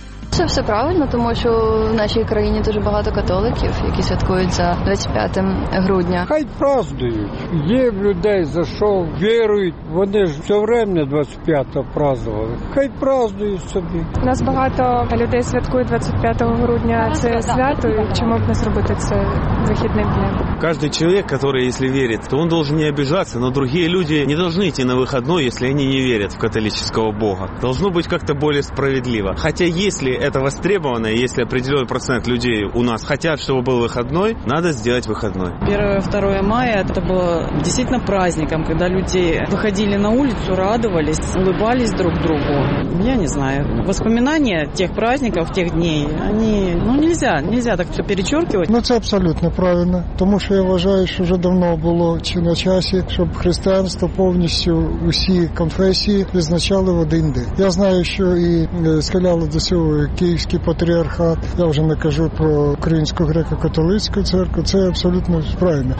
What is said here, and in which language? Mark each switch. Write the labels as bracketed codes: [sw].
[uk] Це все правильно, тому що в нашій країні дуже багато католиків, які святкують за 25 грудня. Хай праздують. Є в людей, за що вірують. Вони ж все время 25-го праздували. Хай праздують собі. У нас багато людей святкують 25 грудня. Це свято, і чому б не зробити це вихідним днем? [ru] Каждый человек, который, если верит, то он должен не обижаться, но другие люди не должны идти на выходной, если они не верят в католического Бога. Должно быть как-то более справедливо. Хотя если это востребовано, если определенный процент людей у нас хотят, чтобы был выходной, надо сделать выходной. 1-2 мая это было действительно праздником, когда люди выходили на улицу, радовались, улыбались друг другу. Я не знаю, воспоминания тех праздников, тех дней, они, ну нельзя так все перечеркивать. [uk] Ну это абсолютно правильно, тому що я вважаю, що вже давно було чи на часі, щоб християнство повністю усі конфесії визначали в один день. Я знаю, що і схиляли до цього Київський патріархат, я вже не кажу про Українську греко-католицьку церкву, це абсолютно правильно.